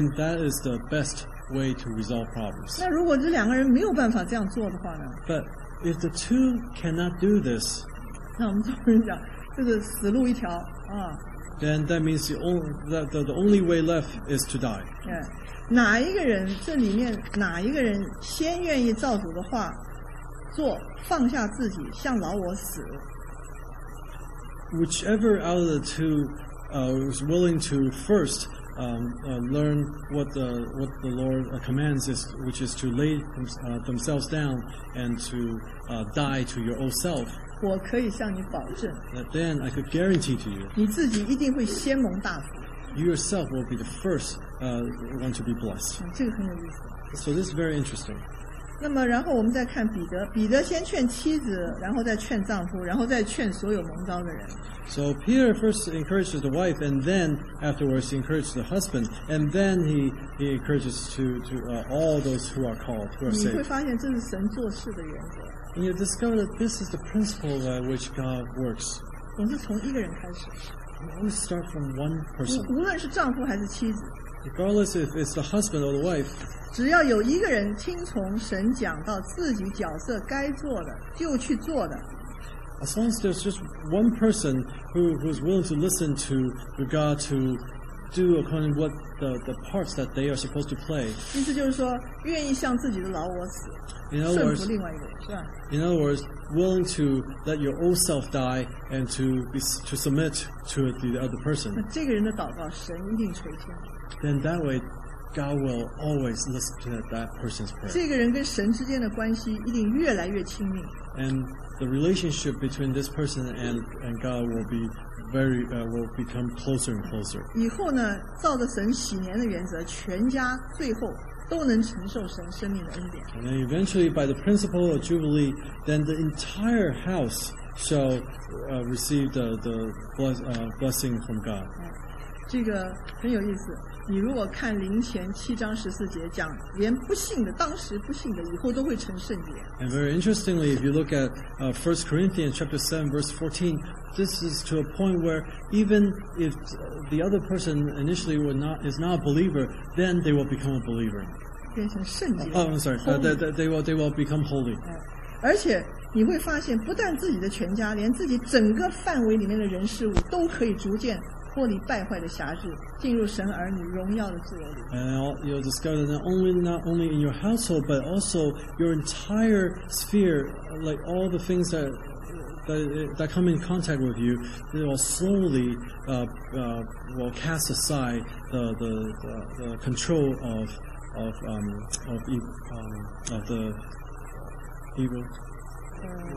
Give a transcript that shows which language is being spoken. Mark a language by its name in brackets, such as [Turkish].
[English] And that is the best way to resolve problems. [Chinese] 那如果这两个人没有办法这样做的话呢？ [English] But if the two cannot do this, [Chinese] 那我们中文讲，就是死路一条啊。 [English] Then that means the only way left is to die. [Chinese] 对，哪一个人这里面哪一个人先愿意照主的话做，放下自己，向老我死？ [English] Whichever out of the two was willing to first learn what the Lord commands is, which is to lay themselves down and to die to your old self. [Chinese] 我可以向你保证。 [English] That then I could guarantee to you. [Chinese] 你自己一定会先蒙大福。 [English] You yourself will be the first one to be blessed. [Chinese] 这个很有意思。 [English] So this is very interesting. [Chinese] 那么然后我们再看彼得，彼得先劝妻子，然后再劝丈夫，然后再劝所有蒙召的人。 [English] So Peter first encourages the wife, and then afterwards he encourages the husband, and then he encourages to all those who are called, who are saved. [Chinese] 你会发现这是神做事的原则。 [English] You discover that this is the principle by which God works. [Chinese] 总是从一个人开始。 [English] You always start from one person. [Chinese] 无论是丈夫还是妻子。 [English] Regardless if it's the husband or the wife. [Chinese] 只要有一个人听从神讲到自己角色该做的就去做的。 [English] As long as there's just one person who's willing to listen to God to do according to what the parts that they are supposed to play. [Chinese] 意思就是说，愿意向自己的老我死，顺服另外一个人，是吧？ [English] In other words, willing to let your old self die and to submit to the other person. [Chinese] 那这个人的祷告，神一定垂听。 [English] then that way God will always listen to that person's prayer. [Chinese] 这个人跟神之间的关系一定越来越亲密。 [English] And the relationship between this person and God will be very, will become closer and closer. [Chinese] 以后呢，照着神禧年的原则，全家最后都能承受神生命的恩典。 [English] And then eventually, by the principle of Jubilee, then the entire house shall receive the blessing from God. [Chinese] 这个很有意思。你如果看灵前七章十四节讲，连不信的，当时不信的，以后都会成圣洁。 [English] And very interestingly, if you look at First Corinthians chapter 7 verse 14, this is to a point where even if the other person initially is not a believer, then they will become a believer. [Chinese] 变成圣洁。 [English] Oh, I'm sorry. They will become holy. [Chinese] 而且你会发现，不但自己的全家，连自己整个范围里面的人事物都可以逐渐。脱离败坏的辖制，进入神儿女荣耀的自由里。 [English] And you'll discover that not only in your household, but also your entire sphere, like all the things that come in contact with you, they will slowly will cast aside the control of the evil.